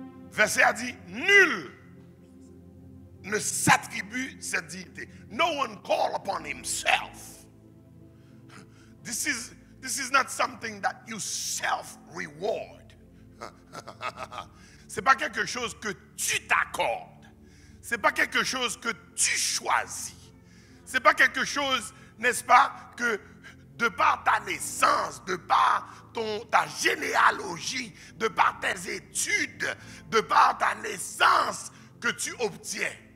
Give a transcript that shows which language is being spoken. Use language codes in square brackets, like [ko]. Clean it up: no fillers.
[fr] Verset a dit, nul ne s'attribue cette dignité. [en] No one call upon himself. This is not something that you self-reward. [fr] Ce n'est pas quelque chose que tu t'accordes. Ce n'est pas quelque chose que tu choisis. Ce n'est pas quelque chose, n'est-ce pas, que de par ta naissance, de par ta généalogie, de par tes études, de par ta naissance que tu obtiens.